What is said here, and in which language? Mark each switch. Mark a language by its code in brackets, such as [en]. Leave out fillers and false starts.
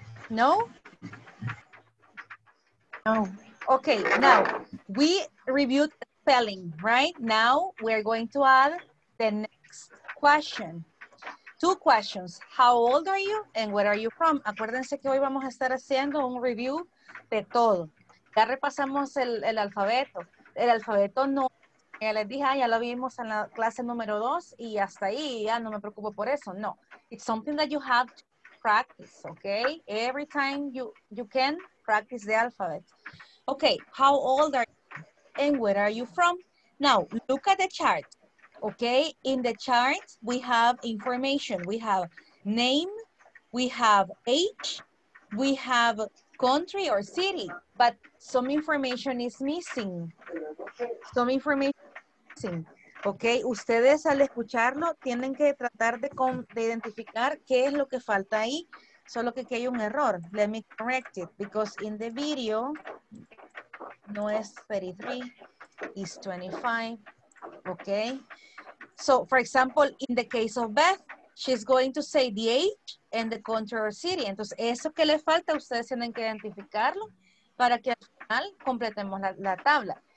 [en] No? No. Okay, now we reviewed spelling, right? Now we're going to add the next question. Two questions. How old are you and where are you from? [es] Acuérdense que hoy vamos a estar haciendo un review de todo. Ya repasamos el alfabeto. El alfabeto no, ya les dije, ya lo vimos en la clase número 2 y hasta ahí, ya no me preocupo por eso. No. [en] It's something that you have to practice, okay? Every time you can, practice the alphabet. Okay, how old are you and where are you from? Now, look at the chart, okay? In the chart, we have information. We have name, we have age, we have country or city, but some information is missing. Some information is missing. [es] Okay, ustedes al escucharlo tienen que tratar de identificar qué es lo que falta ahí, solo que hay un error. [en] Let me correct it, because in the video, [es] no es 33, [en] it's 25. Okay, so for example, in the case of Beth, she's going to say the age and the country or city. [es] Entonces, eso que le falta, ustedes tienen que identificarlo para que al final completemos la tabla.